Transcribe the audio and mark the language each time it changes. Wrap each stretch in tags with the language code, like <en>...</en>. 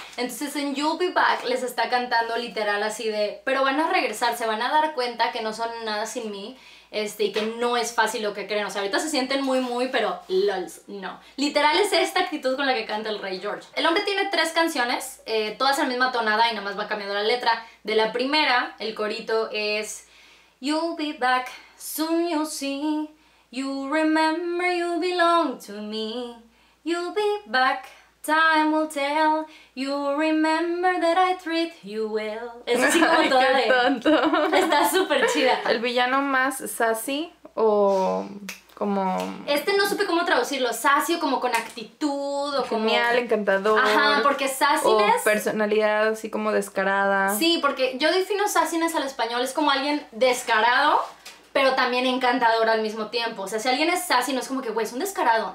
<es>Entonces en You'll Be Back les está cantando literal así de, pero van a regresar, se van a dar cuenta que no son nada sin mí, y que no es fácil lo que creen. O sea, ahorita se sienten muy muy, pero lols, no. Literal es esta actitud con la que canta el rey George. El hombre tiene tres canciones, todas en la misma tonada y nada más va cambiando la letra. De la primera, el corito es...</es> <en>You'll be back, soon you'll see, you remember you belong to me. You'll be back, time will tell, you remember that I treat you well.</en> <es>Es así como toda ¡qué tonto! Está súper chida. El villano más sassy o como... no supe cómo traducirlo, sassy o como con actitud o genial, como... genial, encantador. Ajá, porque sassiness... o personalidad así como descarada. Sí, porque yo defino sassiness al español, es como alguien descarado, pero también encantador al mismo tiempo. O sea, si alguien es sassy, no es como que, güey, es un descarado.</es>